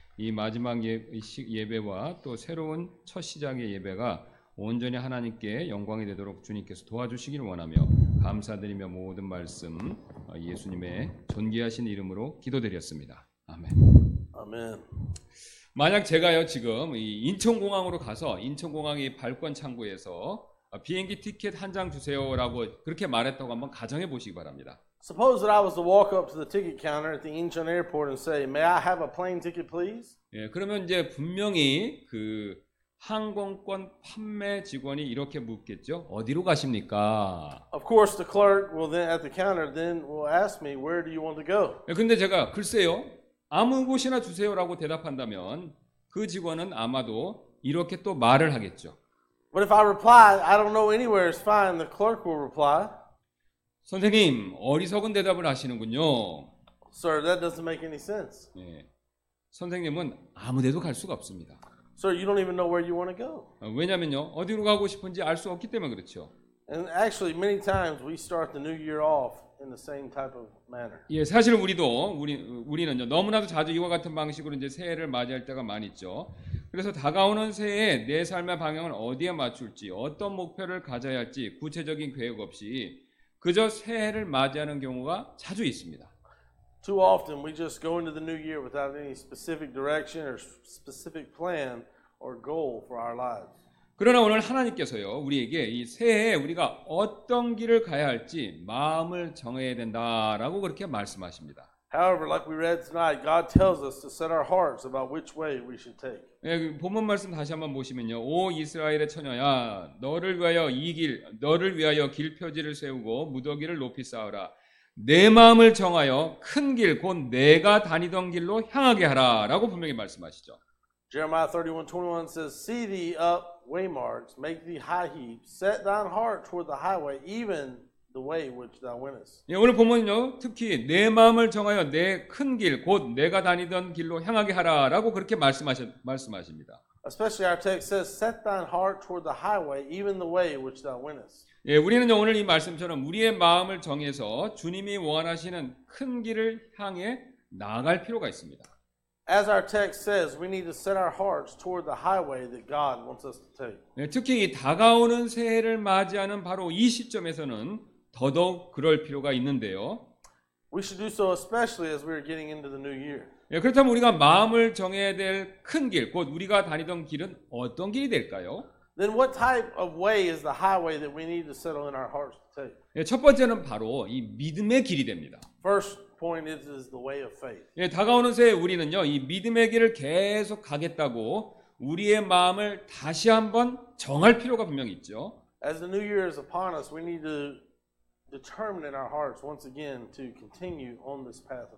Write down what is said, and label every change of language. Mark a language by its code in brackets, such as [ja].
[ko] 이 마지막 예배와 또 새로운 첫 시작의 예배가 온전히 하나님께 영광이 되도록 주님께서 도와주시기를 원하며 감사드리며 모든 말씀 예수님의 존귀하신 이름으로 기도드렸습니다. 아멘. 아멘. 만약 제가요 지금 이 인천공항으로 가서 인천공항의 발권 창구에서 비행기 티켓 한 장 주세요라고 그렇게 말했다고 한번 가정해 보시기 바랍니다. [en] Suppose that I was to walk up to the ticket counter at the Incheon Airport and say, "May I have a plane ticket, please?" [ko] 예, 그러면 이제 분명히 그 항공권 판매 직원이 이렇게 묻겠죠. 어디로 가십니까? [en] Of course, the clerk will then at the counter then will ask me, "Where do you want to go?" [ko] 예, 근데 제가 글쎄요, 아무 곳이나 주세요라고 대답한다면 그 직원은 아마도 이렇게 또 말을 하겠죠. [en] But if I reply, "I don't know anywhere," it's fine. The clerk will reply. [ko] 선생님, 어리석은 대답을 하시는군요. [en] Sir, that doesn't make any sense. [ko] 예, 선생님은 아무데도 갈 수가 없습니다. [en] Sir, you don't even know where you want to go. [ko] 왜냐면요, 어디로 가고 싶은지 알 수 없기 때문에 그렇죠. [en] And actually, many times we start the new year off in the same type of manner. [ko] 예, 사실 우리는요 너무나도 자주 이와 같은 방식으로 이제 새해를 맞이할 때가 많이 있죠. 그래서 다가오는 새해 내 삶의 방향을 어디에 맞출지, 어떤 목표를 가져야 할지 구체적인 계획 없이 그저 새해를 맞이하는 경우가 자주 있습니다. [en] Too often we just go into the new year without any specific direction or specific plan or goal for our lives. [ko] 그러나 오늘 하나님께서요 우리에게 이 새해에 우리가 어떤 길을 가야 할지 마음을 정해야 된다라고 그렇게 말씀하십니다. [en] However, like we read tonight, God tells us to set our hearts about which way we should take. [ko] 예, 본문 말씀 다시 한번 보시면요. 오 이스라엘의 처녀야, 너를 위하여 이 길, 너를 위하여 길 표지를 세우고 무더기를 높이 쌓으라. 내 마음을 정하여 큰 길, 곧 내가 다니던 길로 향하게 하라라고 분명히 말씀하시죠. [en] Jeremiah 31:21 says, "See thee up waymarks, make thee high heaps, set thine heart toward the highway, even." The way which thou wentest. [ko] 예, 오늘 보면요, 특히 내 마음을 정하여 내 큰 길, 곧 내가 다니던 길로 향하게 하라라고 그렇게 말씀하십니다. [en] Especially our text says, "Set thine heart toward the highway, even the way which thou wentest." [ko] 예, 우리는 오늘 이 말씀처럼 우리의 마음을 정해서 주님이 원하시는 큰 길을 향해 나아갈 필요가 있습니다. [en] As our text says, we need to set our hearts toward the highway that God wants us to take. [ko] 예, 특히 이 다가오는 새해를 맞이하는 바로 이 시점에서는 더더욱 그럴 필요가 있는데요. [en] We should do so especially as we are getting into the new year. [ko] 예, 그렇다면 우리가 마음을 정해야 될 큰 길, 곧 우리가 다니던 길은 어떤 길이 될까요? [en] Then what type of way is the highway that we need to settle in our hearts to take? [ko] 예, 첫 번째는 바로 이 믿음의 길이 됩니다. [en] First point is the way of faith. [ko] 예, 다가오는 새해 우리는요, 이 믿음의 길을 계속 가겠다고 우리의 마음을 다시 한번 정할 필요가 분명히 있죠. [en] As the new year is upon us, we need to determine in our hearts once again to continue on this path.